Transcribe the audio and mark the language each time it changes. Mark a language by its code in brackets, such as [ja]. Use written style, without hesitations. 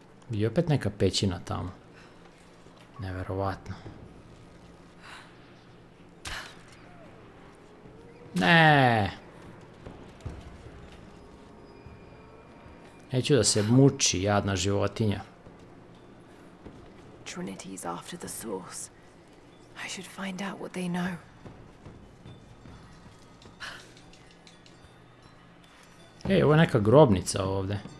[sr] I opet neka pećina tamo. Neverovatno. Ne. Neću da se muči, jadna životinja. [en] Trinity is after the source. I should find out what they know. [sr] Ej, ovo je neka grobnica ovde.